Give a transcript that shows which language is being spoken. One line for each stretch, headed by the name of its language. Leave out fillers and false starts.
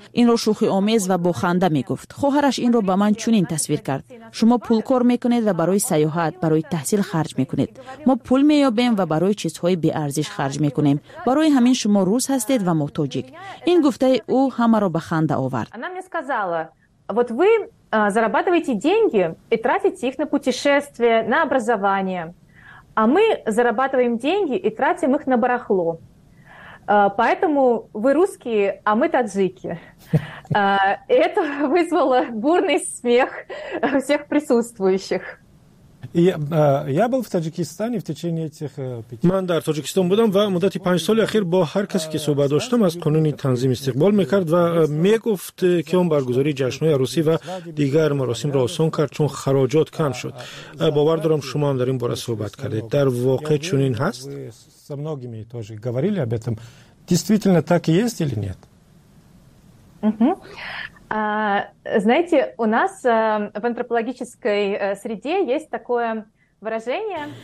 Persian: این را شوخی آمیز و با خنده می گفت. خواهرش این را به من چنین تصویر کرد. شما پول کار می کنید و برای سیاحت، برای تحصیل خرج می کنید. ما پول می یابیم و برای چیزهای بی ارزش خرج می کنیم. برای همین شما روس هستید و ما تاجیک. این گفته او همه را به خنده آورد.
Russian: Она мне сказала: "Вот вы зарабатываете деньги и тратите их на путешествия, на образование. А мы зарабатываем деньги и тратим их на барахло. Поэтому вы русские, а мы таджики". Это вызвало бурный смех всех присутствующих. Я был в Таджикистане в течение этих 5
Persian: من در تاجیکستان بودم و مدت 5 سال اخیر با هر کسی که صحبت داشتم از قانون تنظیم استقبال میکرد و میگفت که اون برگزاری جشن‌های عروسی و دیگر مراسم را آسان کرد چون خراجات کم شد. باور دارم شما هم در این باره صحبت کردید. در واقع چنین هست؟
Russian: С многими тоже говорили об этом. Действительно так и есть или нет? Знаете, у нас в антропологической среде есть такое выражение.